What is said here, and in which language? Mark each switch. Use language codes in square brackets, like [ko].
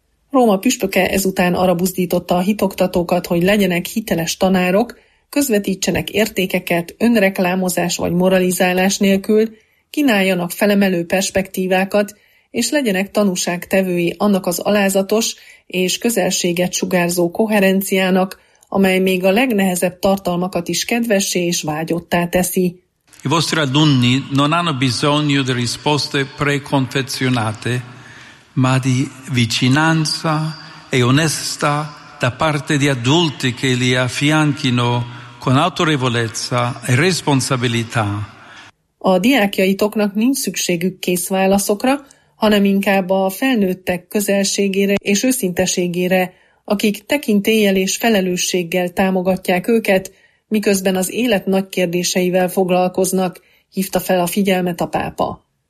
[hu] Róma püspöke ezután arra buzdította a hitoktatókat, hogy legyenek hiteles tanárok, közvetítsenek értékeket önreklámozás vagy moralizálás nélkül, kínáljanak felemelő perspektívákat, és legyenek tanúságtevői annak az alázatos és közelséget sugárzó koherenciának, amely még a legnehezebb tartalmakat is kedvessé és vágyottá teszi. [it] I vostri alunni non hanno bisogno di risposte preconfezionate, ma di vicinanza e onesta da parte di adulti che li affianchino con autorevolezza e responsabilità. [hu] A diákjaitoknak nincs szükségük kész válaszokra, hanem inkább a felnőttek közelségére és őszinteségére, akik tekintéllyel és felelősséggel támogatják őket, miközben az élet nagy kérdéseivel foglalkoznak, hívta fel a figyelmet a pápa.